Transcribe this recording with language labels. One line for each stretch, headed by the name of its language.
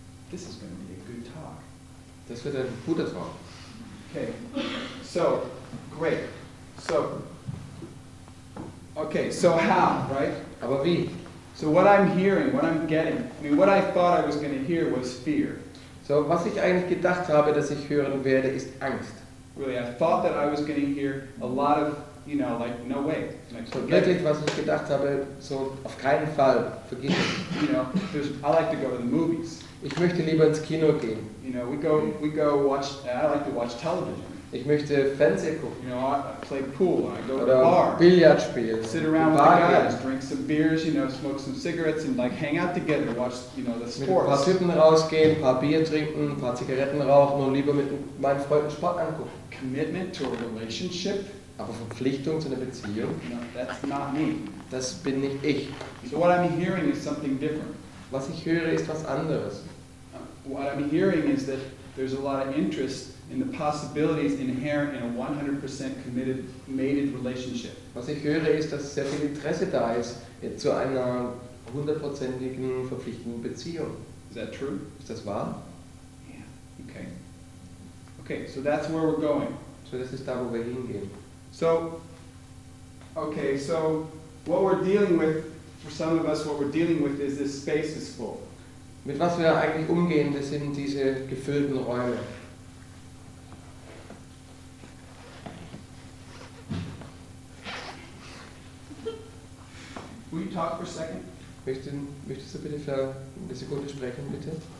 English: This is going to be a good talk.
German: Das wird ein guter Talk.
English: Okay. So, great. So, okay, so how, right?
German: Aber wie?
English: So what I'm hearing, what I'm getting, I mean, what I thought I was going to hear was fear.
German: So, was ich eigentlich gedacht habe, dass ich hören werde, ist Angst.
English: Really, I thought that I was going to hear a lot of, you know, like, no way.
German: So, wirklich, was ich gedacht habe, so, auf keinen Fall, vergiss es.
English: You know, I like to go to the movies.
German: Ich möchte lieber ins Kino gehen.
English: You know, we go watch, I like to watch television.
German: Ich möchte Fernsehen gucken.
English: You know, I play pool, I go
German: oder
English: to the bar.
German: Billard spielen.
English: Sit around with the guys, drink some beers, you know, smoke some cigarettes and like hang out together, watch, you know, the sports.
German: Mit ein paar Typen rausgehen, ein paar Bier trinken, ein paar Zigaretten rauchen und lieber mit meinen Freunden Sport angucken.
English: Commitment to a relationship.
German: Aber Verpflichtung zu einer Beziehung.
English: No, that's not me.
German: Das bin nicht ich.
English: So what I'm hearing is something different.
German: Was ich höre, ist was anderes.
English: What I'm hearing is that there's a lot of interest in the possibilities inherent in a 100% committed, mated relationship.
German: Was ich höre, ist, dass sehr viel Interesse da ist zu einer 100%igen verpflichtenden Beziehung.
English: Is that true?
German: Ist das wahr?
English: Yeah. Okay. Okay, so that's where we're going.
German: So das ist da, wo wir hingehen.
English: So, okay, so what we're dealing with, for some of us, what we're dealing with is this space is full.
German: Mit was wir eigentlich umgehen, das sind diese gefüllten Räume.
English: Will you talk for a second?
German: Möchtest du bitte für eine Sekunde sprechen, bitte?